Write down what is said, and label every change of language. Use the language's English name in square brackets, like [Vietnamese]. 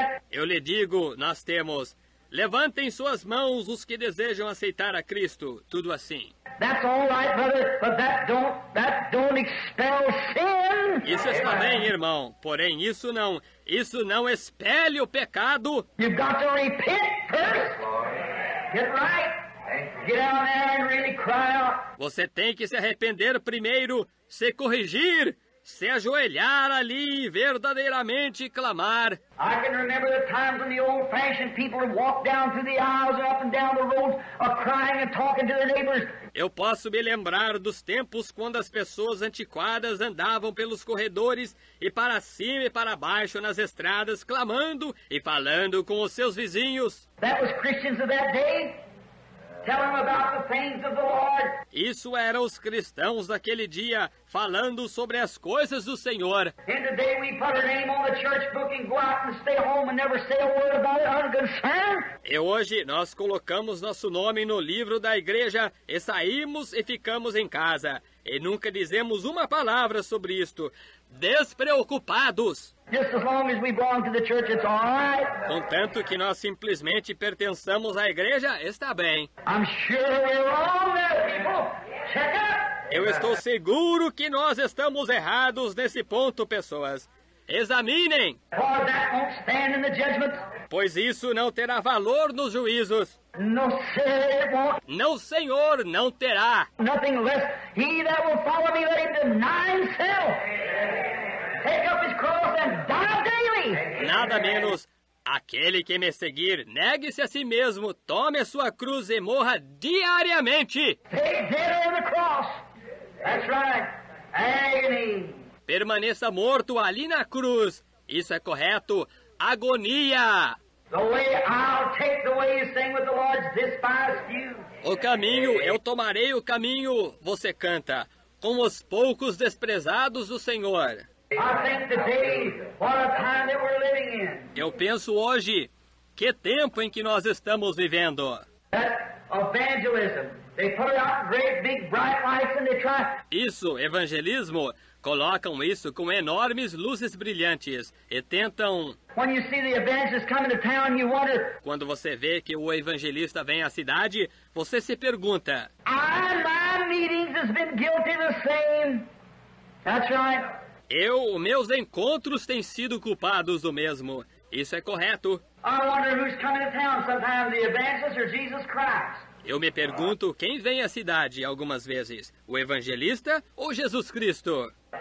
[Portuguese] Eu lhe digo, nós temos, levantem suas mãos os que desejam aceitar a Cristo, tudo assim. [English] That's all right, brother, but that don't expel sin. [Portuguese] Isso está bem, irmão, porém isso não expele o pecado. [English] You've got to repent first. Get right. Get out there and really cry out. [Portuguese] Você tem que se arrepender primeiro, se corrigir, se ajoelhar ali e verdadeiramente clamar. [English] I can remember the times when the old-fashioned people would walk down through the aisles and up and down the roads, crying and talking to their neighbors. [Portuguese] Eu posso me lembrar dos tempos quando as pessoas antiquadas andavam pelos corredores e para cima e para baixo nas estradas, clamando e falando com os seus vizinhos. [English] That was Christians of that day. Tell them about the things of the Lord. [Portuguese] Isso eram os cristãos daquele dia, falando sobre as coisas do Senhor. [English] And today we put our name on the church book and go out and stay home and never say a word about our concern. [Portuguese] E hoje nós colocamos nosso nome no livro da igreja e saímos e ficamos em casa. E nunca dizemos uma palavra sobre isto. Despreocupados! [English] Just as long as we belong to the church, it's all right. [Portuguese] Contanto que nós simplesmente pertençamos à igreja, está bem. [English] I'm sure we're wrong there, people. Check up. [Portuguese] Eu estou seguro que nós estamos errados nesse ponto, pessoas. Examinem! [English] For that won't stand in the judgment. [Portuguese] Pois isso não terá valor nos juízos. [English] No, sir, it won't. [Portuguese] Não, senhor, não terá. [English] Nothing less. He that will follow me, let him deny himself. Take up his cross and die daily. [Portuguese] Nada menos. Aquele que me seguir, negue-se a si mesmo, tome a sua cruz e morra diariamente. [English] Stay dead on the cross. That's right. Agony. [Portuguese] Permaneça morto ali na cruz. Isso é correto. Agonia. [English] The way I'll take the way you sing with the Lord's despised few. [Portuguese] O caminho, eu tomarei o caminho, você canta, com os poucos desprezados do Senhor. [English] I think today, what a time that we're living in. [Portuguese] Eu penso hoje, que tempo em que nós estamos vivendo. [English] That evangelism, they put out great big bright lights and they try. [Portuguese] Isso, evangelismo, colocam isso com enormes luzes brilhantes e tentam. [English] When you see the evangelist coming to town, you wonder. [Portuguese] Quando você vê que o evangelista vem à cidade, você se pergunta. [English] My meetings has been guilty the same. That's right. [Portuguese] Eu, meus encontros têm sido culpados do mesmo. Isso é correto. [English] I wonder who's coming to town sometimes, the evangelist or Jesus Christ. [Portuguese] Eu me pergunto quem vem à cidade algumas vezes, o evangelista ou Jesus Cristo?